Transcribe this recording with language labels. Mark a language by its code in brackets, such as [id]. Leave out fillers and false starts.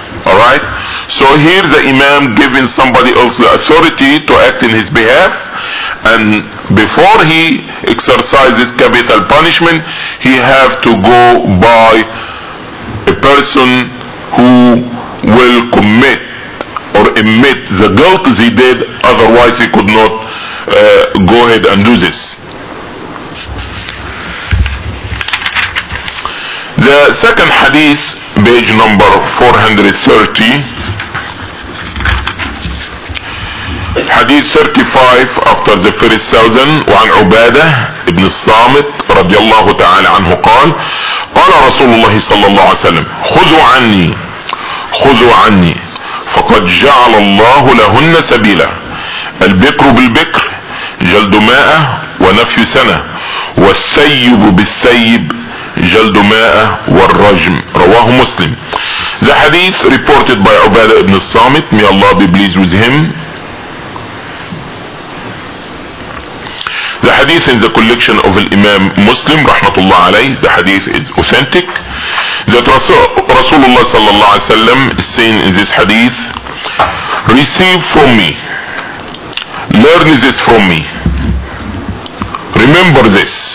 [en] Alright, so here the Imam giving somebody else the authority to act in his behalf, and before he exercises capital punishment, he have to go by a person who will commit or admit the guilt he did, otherwise he could not go ahead and do this. The second hadith, page number 430, hadith 35 after the first 1000, [ar] وعن عبادة ابن الصامت رضي الله تعالى عنه قال قال رسول الله صلى الله عليه وسلم خذوا عني خذوا عني فقد جعل الله لهن سبيلا البكر بالبكر جلد ماء ونفي سنة والثيب بالثيب جلد ماء والرجم رواه مسلم. [en] The hadith reported by Ubadah ibn al-Samit, may Allah be pleased with him. The hadith in the collection of Imam Muslim rahmatullah alayhi, the hadith is authentic. That Rasulullah sallallahu alayhi wasallam is saying in this hadith, receive from me, learn this from me, remember this.